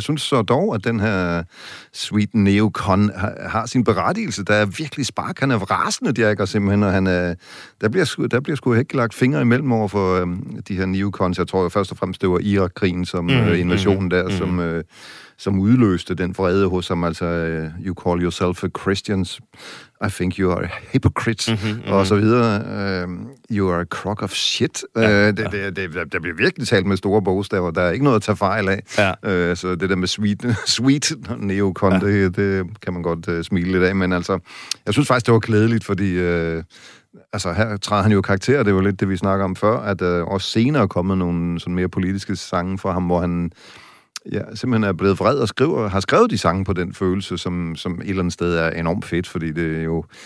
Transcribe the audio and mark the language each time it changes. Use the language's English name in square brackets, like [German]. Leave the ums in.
[Danish] Jeg synes så dog, at den her sweet neocon har, har sin berettigelse. Der er virkelig spark. Han er rasende, Dirk, og simpelthen, og han er, der bliver, sgu- der bliver sgu ikke lagt fingre imellem over for øhm, de her neocons. Jeg tror jo først og fremmest, det var Irak-krigen, som mm, øh, invasionen der, mm. som, øh, som udløste den vrede hos ham. [English] Altså, øh, you call yourself a Christians. I think you are a hypocrite, mm-hmm, mm-hmm. [Danish] og så videre. [English] Øh, you are a crock of shit. [Danish] Ja, øh, det, det, det, der- der bliver virkelig talt med store bogstaver. Der er ikke noget at tage fejl af. Ja. Øh, så det der med sweet, sweet neocon, ja. det, det kan man godt øh, smile lidt af. Men altså, jeg synes faktisk, det var klædeligt, fordi... Øh, Altså her træder han jo i karakter, det var lidt det, vi snakker om før, at øh, også senere er kommet nogle sådan mere politiske sange fra ham, hvor han ja, simpelthen er blevet vred og skriver, har skrevet de sange på den følelse, som, som et eller andet sted er enormt fedt, fordi det er jo...